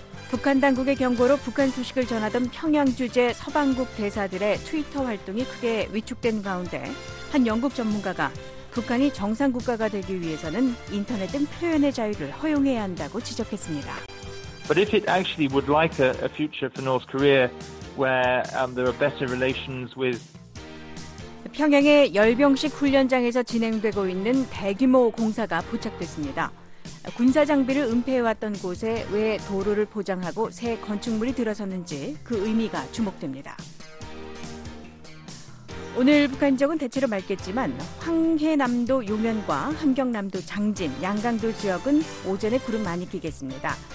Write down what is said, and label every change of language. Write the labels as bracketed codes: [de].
[ko] 북한 당국의 경고로 북한 소식을 전하던 평양 주재 서방국 대사들의 트위터 활동이 크게 위축된 가운데 한 영국 전문가가 북한이 정상국가가 되기 위해서는 인터넷 등 표현의 자유를 허용해야 한다고 지적했습니다. [en] But if it actually would like a future for North Korea where there are better relations with [ko] 평양의 열병식 훈련장에서 진행되고 있는 대규모 공사가 포착됐습니다. 군사 장비를 은폐해왔던 곳에 왜 도로를 포장하고 새 건축물이 들어섰는지 그 의미가 주목됩니다. 오늘 북한 지역은 대체로 맑겠지만 황해남도 용현과 함경남도 장진, 양강도 지역은 오전에 구름 많이 끼겠습니다.